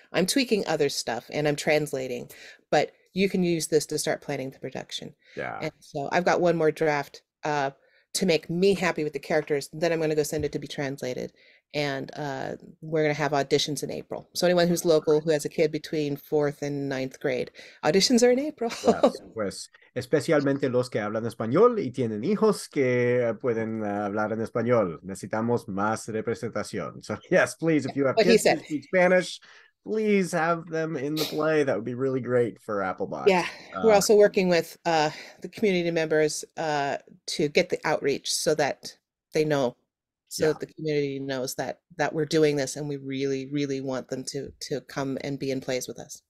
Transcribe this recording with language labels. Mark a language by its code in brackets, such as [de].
[en] I'm tweaking other stuff and I'm translating, but you can use this to start planning the production. Yeah. And so I've got one more draft, to make me happy with the characters, then I'm going to go send it to be translated. And we're going to have auditions in April. So anyone who's local, who has a kid between fourth and ninth grade, auditions are in April. [es] Yes, pues, especialmente los que hablan español y tienen hijos que pueden hablar en español. Necesitamos más representación. [en] So yes, please, if you have kids who speak Spanish, please have them in the play. That would be really great for Applebox. Yeah, we're also working with the community members to get the outreach so that they know, so yeah. that the community knows that we're doing this, and we really, really want them to come and be in plays with us.